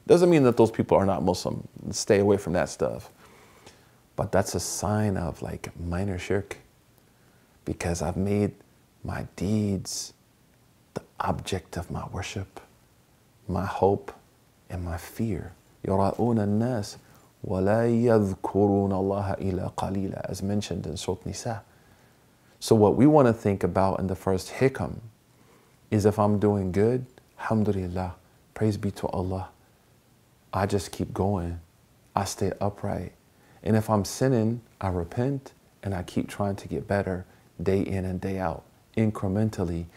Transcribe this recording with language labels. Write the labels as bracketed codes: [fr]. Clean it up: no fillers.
[en] Doesn't mean that those people are not Muslim. Stay away from that stuff. But that's a sign of like minor shirk, because I've made my deeds the object of my worship, my hope, and my fear. [ar] يَرَأُونَ النَّاسِ وَلَا يَذْكُرُونَ اللَّهَ إِلَّا قَلِيلًا, [en] as mentioned in Surah Nisa. So what we want to think about in the first hikam is, if I'm doing good, alhamdulillah, praise be to Allah, I just keep going, I stay upright. And if I'm sinning, I repent and I keep trying to get better day in and day out, incrementally.